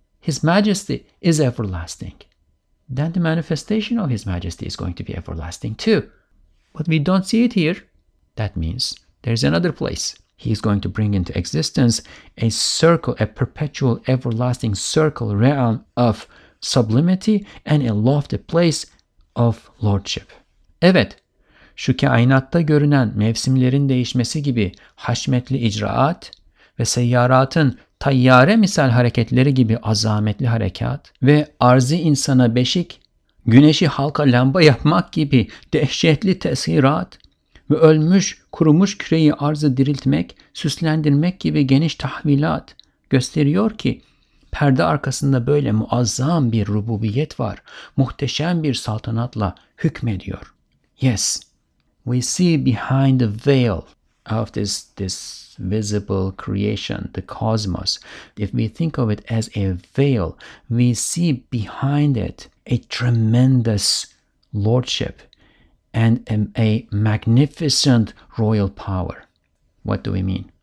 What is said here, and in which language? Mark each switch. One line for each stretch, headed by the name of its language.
English: His majesty is everlasting. Then the manifestation of his majesty is going to be everlasting too. But we don't see it here. That means there's another place. He is going to bring into existence a circle, a perpetual, everlasting circle, realm of sublimity and a lofty place of lordship.
Turkish: Evet, şu kainatta görünen mevsimlerin değişmesi gibi haşmetli icraat ve seyyaratın tayyare misal hareketleri gibi azametli harekat ve arzi insana beşik, güneşi halka lamba yapmak gibi dehşetli tesirat ve ölmüş kurumuş küreyi arzı diriltmek, süslendirmek gibi geniş tahvilat gösteriyor ki, perde arkasında böyle muazzam bir rububiyet var, muhteşem bir saltanatla hükmediyor.
English: Yes, we see behind the veil of this visible creation, the cosmos. If we think of it as a veil, we see behind it a tremendous lordship and a magnificent royal power. What do we mean?